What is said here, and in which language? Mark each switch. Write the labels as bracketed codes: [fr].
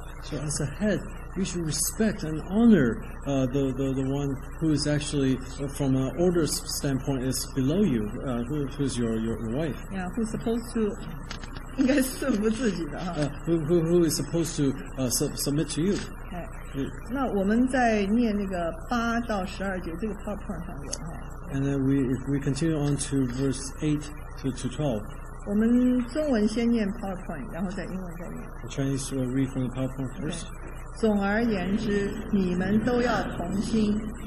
[en] So as a head, you should respect and honor the one who is actually, from an order standpoint, is below you, who is your wife. Yeah, who's supposed to, [zh] 应该顺服自己的哈。 [en] Who is supposed to submit to you. Okay. [zh] 那我们在念那个八到十二节这个 PowerPoint 上有哈。 [en] And then we continue on to verse 8 to 12. [zh] 我们中文先念 PowerPoint， 然后再英文再念。 [en] The Chinese will read from the PowerPoint first. [zh] 总而言之，你们都要同心。